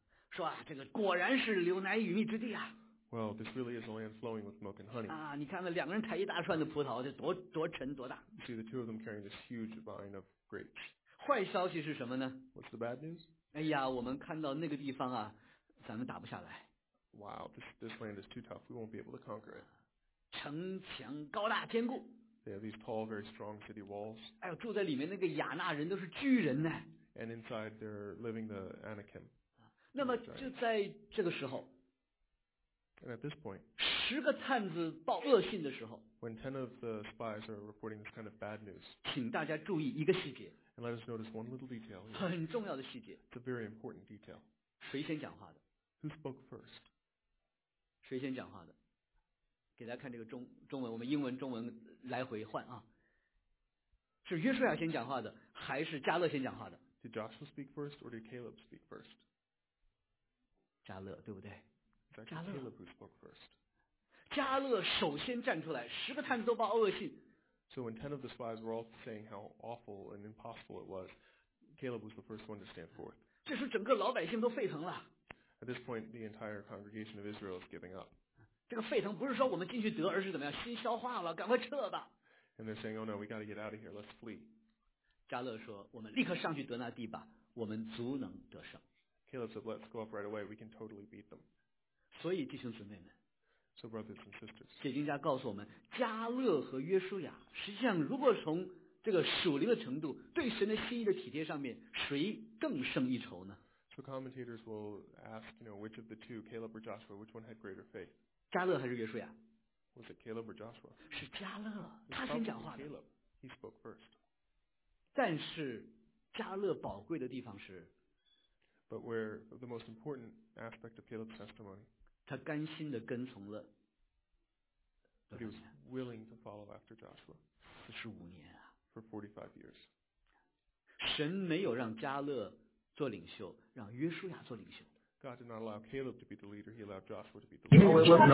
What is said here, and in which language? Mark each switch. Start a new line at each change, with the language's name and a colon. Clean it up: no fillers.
Chinese: 说啊，这个果然是流奶与蜜之地啊。
English: Well, this really is a land flowing with milk and honey.
Chinese: 你看那两个人抬一大串的葡萄，这多沉多大。
English: You see the two of them carrying this huge vine of grapes.
Chinese: 坏消息是什么呢
English: ？What's the bad news?
Chinese: 哎呀，我们看到那个地方啊，咱们打不下来。
English: Wow, this land is too tough. We won't be able to conquer it.
Chinese: 城墙高大坚固。
English: They have these tall, very strong city walls.
Chinese: 哎呦，住在里面那个亚纳人都是巨人呢。
English: And inside they're living the Anakim.
Chinese: 那么就在这个时候。
English: And at this point.
Chinese: 十个探子报恶信的时候。
English: When 10 of the spies are reporting this kind of bad news.
Chinese: 请大家注意一个细节。
English: And let us notice one little detail.
Chinese: 很重要的细节。
English: It's a very important detail.
Chinese: 谁先讲话的？
English: Who spoke first?
Chinese: 谁先讲话的？给大家看这个 中文，我们英文中文来回换啊。是约书亚先讲话的，还是加勒先讲话的？
English: Did Joshua speak first or did Caleb speak first?
Chinese: 加勒，对不对？
English: 加勒。Caleb who spoke first.
Chinese: 加勒首先站出来，十个探子都报恶信。
English: So when 10 of the spies were all saying how awful and impossible it was, Caleb was the first one to stand forth.
Chinese: 这时整个老百姓都沸腾了。
English: At this point, the entire congregation of Israel is giving up.
Chinese: 这个沸腾不是说我们进去得，而是怎么样？心消化了，赶快撤吧。
English: And they're saying, oh no, we got to get out of here, let's flee.
Chinese: 加勒说，我们立刻上去得那地吧，我们足能得胜。
English: Caleb said, let's go up right away, we can totally beat them.
Chinese: 所以弟兄姊妹们，
English: So brothers and sisters,
Chinese: 解经家告诉我们，加勒和约书亚，实际上如果从这个属灵的程度，对神的心意的体贴上面，谁更胜一筹呢？
English: So commentators will ask, you know, which of the two, Caleb or Joshua, which one had greater faith?
Chinese: 加勒还是约书亚？
English: Was it Caleb or Joshua?
Chinese: 是加勒，他先讲话的。
English: Caleb, he spoke first.
Chinese: 但是加勒宝贵的地方是，
English: But where the most important aspect of Caleb's testimony,
Chinese: 他甘心的跟从了。
English: He was willing to follow after Joshua.
Chinese: 45年啊。
English: For 45 years.
Chinese: 神没有让加勒做领袖，让约书亚做领袖。
English: God did not allow Caleb to be the leader; He allowed Joshua to be the leader.